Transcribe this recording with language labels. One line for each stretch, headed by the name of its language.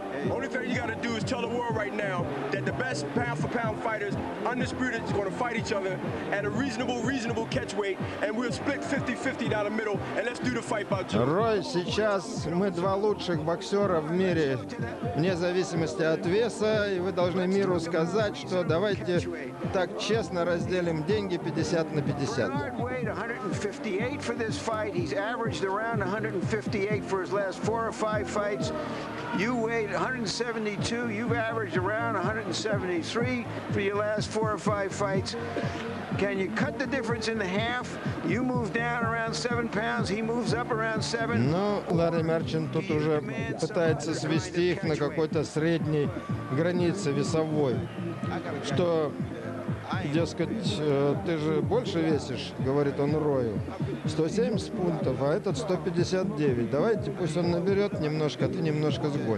English: Only thing you got to do is tell the world right now that the best pound for pound fighters undisputed is going to fight each other at a reasonable catch weight, and we'll split 50-50 down the middle, and let's do the fight by June.
Russian: Рой, сейчас мы два лучших боксера в мире, вне зависимости от веса, и вы должны миру сказать, что давайте так честно разделим деньги 50 на 50.
English: Bernard weighed 158 for this fight. He's averaged around 158 for his last four or five fights. You weighed 172. You've averaged around 173 for your last four or five fights. Can you cut the difference in half? You move down around 7 pounds, he moves up around 7.
Russian: Ну, Ларри Мерчант тут уже пытается свести их на какой-то средней границе весовой. Что, дескать, ты же больше весишь, говорит он Рою. 170 фунтов, а этот 159. Давайте пусть он наберет немножко, а ты немножко